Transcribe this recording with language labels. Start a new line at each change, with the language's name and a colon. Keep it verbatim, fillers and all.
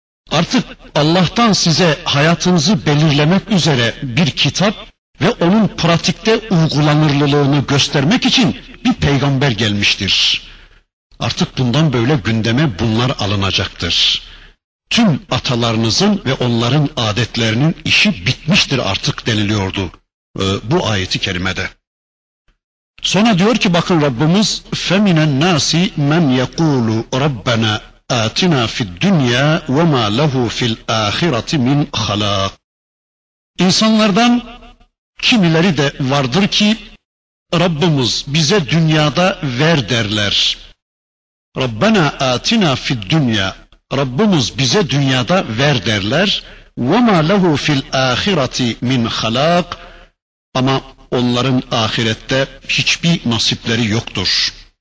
Turkish: Artık Allah'tan size hayatınızı belirlemek üzere bir kitap ve onun pratikte uygulanırlılığını göstermek için bir peygamber gelmiştir. Artık bundan böyle gündeme bunlar alınacaktır. Tüm atalarınızın ve onların adetlerinin işi bitmiştir artık deniliyordu e, bu ayeti kerimede. Sonra diyor ki bakın Rabbimiz
Arabic: فَمِنَ النَّاسِ مَنْ يَقُولُ رَبَّنَا آتِنَا فِي الدُّنْيَا وَمَا لَهُ فِي الْآخِرَةِ مِنْ خَلَاقٍ.
Turkish: İnsanlardan kimileri de vardır ki Rabbimiz bize dünyada ver derler.
Arabic: Rabbena atina fid dünya.
Turkish: Rabbimiz bize dünyada ver derler.
Arabic: Ve ma lehu fil ahireti min halak.
Turkish: Ama onların ahirette hiçbir nasipleri yoktur.